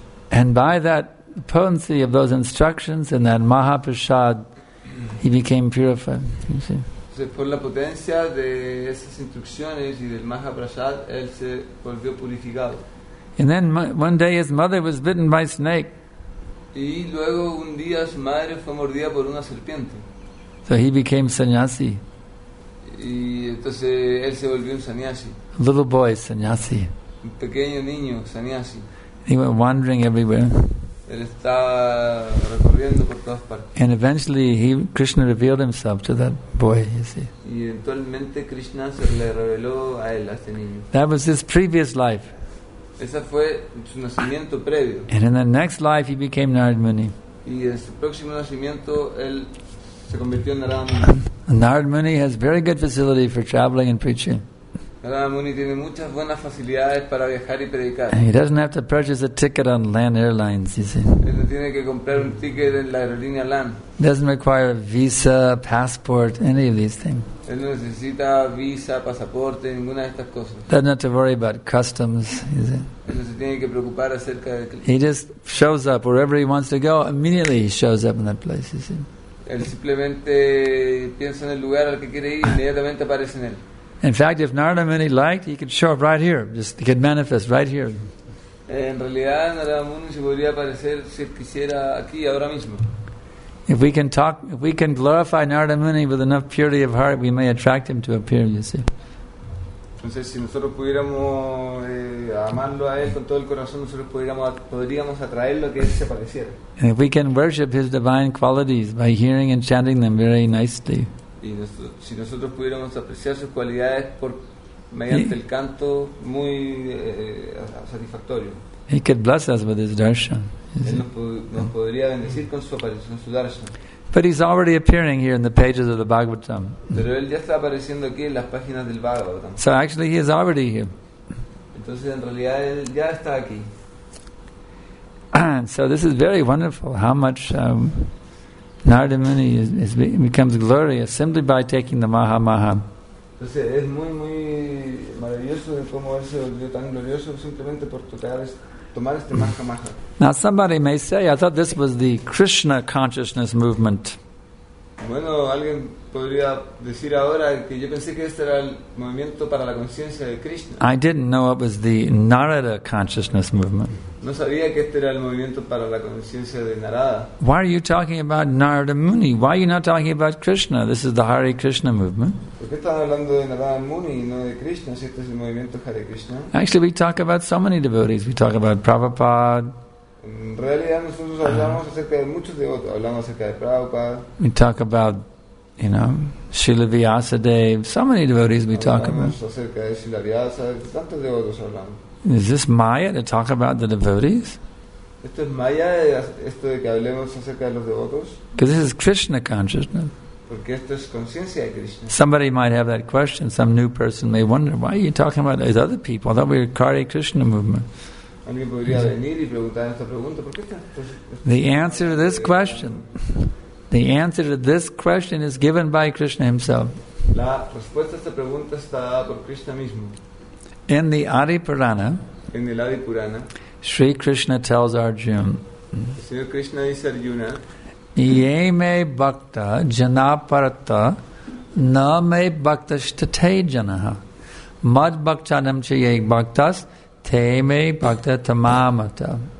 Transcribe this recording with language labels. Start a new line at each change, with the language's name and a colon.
English: And by that potency of those instructions and that maha prasad, he became purified, you see.
Spanish: Por la potencia de esas instrucciones y del Maha Prasad, él se volvió purificado.
English: And then one day his mother was bitten by a snake.
Spanish: Y luego un día su madre fue mordida por una serpiente.
English: So he became sannyasi.
Spanish: Y entonces él se volvió un sannyasi.
English: A little boy sannyasi.
Spanish: Un pequeño niño sannyasi.
English: He went wandering everywhere.
Spanish: Él estaba recorriendo por todas partes.
English: And eventually Krishna revealed himself to that boy, you see.
Spanish: Y eventualmente Krishna se le reveló a él, a este niño.
English: That was his previous life.
Spanish: Ese fue su nacimiento previo.
English: And in the next life he became Narada Muni.
Spanish: Y en su próximo nacimiento él se convirtió en Narada Muni.
English: Narada Muni has very good facility for traveling and preaching.
Spanish: Narada Muni tiene muchas buenas facilidades para viajar y predicar.
English: He doesn't have to purchase a ticket on LAN airlines, you see.
Spanish: Él no tiene que comprar un ticket en la aerolínea LAN.
English: Doesn't require a visa, passport, any of these things.
Spanish: Él no necesita visa, pasaporte, ninguna de estas cosas.
English: Doesn't have to worry about customs, you see.
Spanish: Él no se tiene que preocupar acerca de.
English: He just shows up wherever he wants to go. Immediately he shows up in that place, you see.
Spanish: Él simplemente piensa en el lugar al que quiere ir y inmediatamente aparece en él.
English: In fact, if Narada Muni liked, he could show up right here. Just he could manifest right here.
Spanish: En realidad, Narada Muni se podría aparecer si quisiera aquí ahora mismo.
English: If we can glorify Narada Muni with enough purity of heart, we may attract him to appear. You see.
Spanish: Entonces, si nosotros pudiéramos amarlo a él con todo el corazón, nosotros podríamos atraerlo a que él se apareciera.
English: And if we can worship his divine qualities by hearing and chanting them very nicely.
Spanish: Y si nosotros pudiéramos apreciar sus cualidades por mediante el canto muy satisfactorio.
English: He could bless us with his darshan.
Spanish: Nos podría bendecir con su aparición, su darshan.
English: But he's already appearing here in the pages of the Bhagavatam.
Spanish: Pero él ya está apareciendo aquí en las páginas del Bhagavatam.
English: So actually he is already here.
Spanish: Entonces en realidad él ya está aquí.
English: So this is very wonderful how much Narada Muni becomes glorious simply by taking the maha maha.
Spanish: Entonces es muy muy maravilloso de cómo él se volvió tan glorioso simplemente por tomar este maha maha.
English: Now somebody may say, I thought this was the Krishna consciousness movement.
Spanish: Bueno, alguien podría decir ahora que yo pensé que este era el movimiento para la conciencia de Krishna.
English: I didn't know it was the Narada consciousness movement.
Spanish: No sabía que este era el movimiento para la conciencia de Narada.
English: Why are you talking about Narada Muni? Why are you not talking about Krishna? This is the Hare Krishna movement.
Spanish: ¿Por qué estás hablando de Narada Muni y no de Krishna? Si este es el movimiento Hare Krishna.
English: Actually, we talk about so many devotees. We talk about Prabhupada.
Spanish: En realidad, nosotros hablamos acerca de muchos devotos. Hablamos acerca de Prabhupada.
English: We talk about, you know, Srila Vyasadeva. So many devotees we talk about.
Spanish: Hablamos acerca de Srila Vyasadeva. Tantos devotos hablamos.
English: Is this Maya to talk about the devotees?
Spanish: Esto es Maya, esto de que hablemos acerca de los devotos.
English: Because this is Krishna consciousness.
Spanish: Porque esto es conciencia de Krishna.
English: Somebody might have that question. Some new person may wonder, why are you talking about these other people? I thought we were Hare Krishna movement.
Spanish: Alguien podría venir y preguntar esta pregunta. ¿Por qué está?
English: The answer to this question. The answer to this question is given by Krishna himself.
Spanish: La respuesta a esta pregunta está dada por Krishna mismo.
English: In the Adi Purana,
Spanish: in el Adi Purana,
English: Sri Krishna tells Arjuna,
Spanish: Señor Krishna dice Arjuna,
Sanskrit: ye me bhakta janaparata na me bhaktashtate janaha mad bhaktanam cha ye bhaktas te me bhakta tamamata.